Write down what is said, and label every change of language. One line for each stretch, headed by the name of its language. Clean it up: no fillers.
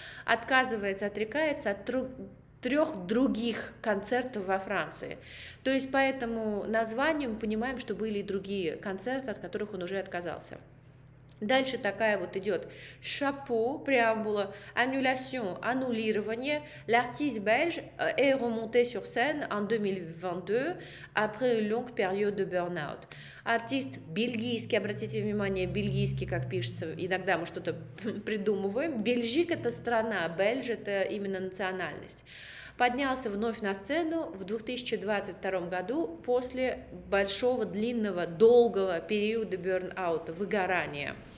Russian: Отказывается, отрекается от трех других концертов во Франции. То есть по этому названию мы понимаем, что были и другие концерты, от которых он уже отказался. Дальше такая вот идет шапо, преамбула, аннулясьон, аннулирование.
French: L'artiste belge est remonté sur scène en 2022 après une longue période de burn-out.
Russian: Артист бельгийский, обратите внимание, бельгийский, как пишется, иногда мы что-то придумываем. Бельжик – это страна, бельж – это именно национальность. Поднялся вновь на сцену в 2022 году после большого, длинного, долгого периода бёрн-аута, выгорания.